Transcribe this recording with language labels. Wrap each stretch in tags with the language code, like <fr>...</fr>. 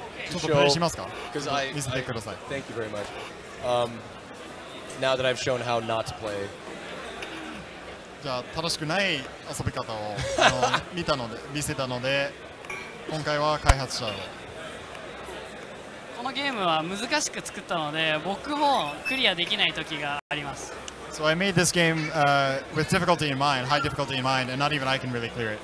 <ja>ちょっとプレイしますか?見せてください。</ja> <en>Thank you very much. Now that I've shown how not to play.</en> <ja>じゃあ正しくない遊び方を見たので見せたので今回は開発者をこのゲームは難しく作ったので僕もクリアできない時があります。</ja> <en>So I made this game with difficulty in mind, high difficulty in mind, and not even I can really clear it.</en>